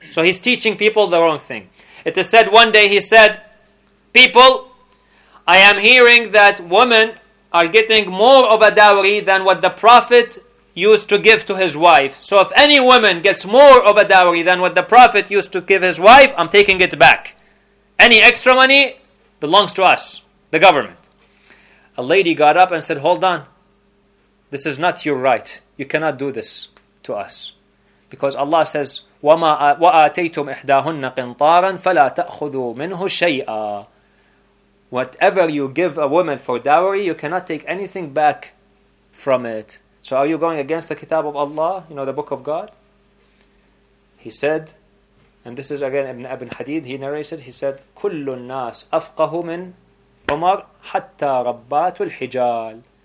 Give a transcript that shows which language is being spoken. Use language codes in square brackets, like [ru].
[en] So he's teaching people the wrong thing. It is said one day, he said, people, I am hearing that women are getting more of a dowry than what the Prophet used to give to his wife. So if any woman gets more of a dowry than what the Prophet used to give his wife, I'm taking it back. Any extra money belongs to us, the government. A lady got up and said, hold on. This is not your right. You cannot do this to us. Because Allah says, [ar] وَمَا وَآتَيْتُمْ إِحْدَاهُنَّ قِنْطَارًا فَلَا تَأْخُذُوا مِنْهُ شَيْئًا. [en] Whatever you give a woman for dowry, you cannot take anything back from it. So are you going against the Kitab of Allah, you know, the Book of God? He said, and this is again Ibn Hadid, he narrated, he said, [ar] كُلُّ النَّاسِ أَفْقَهُ مِنْ عُمَرْ حَتَّى رَبَّاتُ الْحِجَالِ.